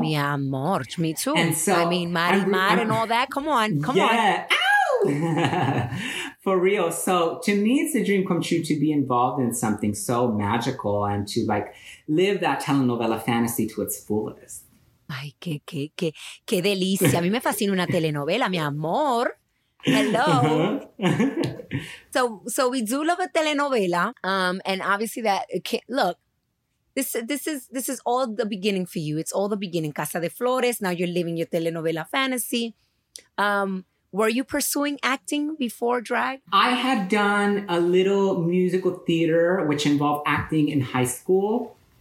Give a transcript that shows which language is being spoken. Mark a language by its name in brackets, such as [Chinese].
[Spanish] Mi amor, [English] me too. And so, I mean, Marimar and all that. Come on. Yeah. Ow! For real. So to me, it's a dream come true to be involved in something so magical and to like live that telenovela fantasy to its fullest. [Spanish] Ay, qué delicia. A mí me fascina una telenovela, mi amor. [English] Hello. So we do love a telenovela. And obviously that, okay, look, this is all the beginning for you. It's all the beginning. Casa de Flores. Now you're living your telenovela fantasy. Were you pursuing acting before drag? I had done a little musical theater, which involved acting in high school.